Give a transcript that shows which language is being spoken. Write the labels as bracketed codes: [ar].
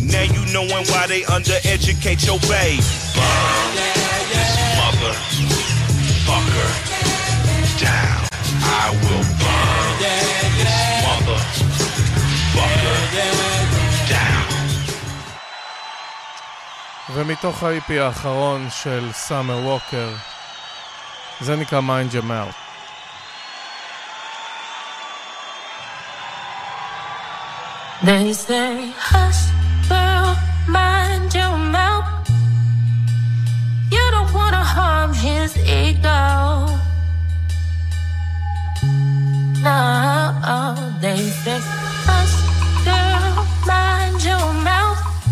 [en] Now you knowin' why they undereducate your baby. Burn this mother fucker down. I will burn this motherfucker down. [he] ומתוך ה-EP האחרון של סאמר ווקר, זה נקרא Mind Your Mouth. [en] They say, hush, girl, mind your mouth. You don't wanna harm his ego. No, they say, hush, girl, mind your mouth.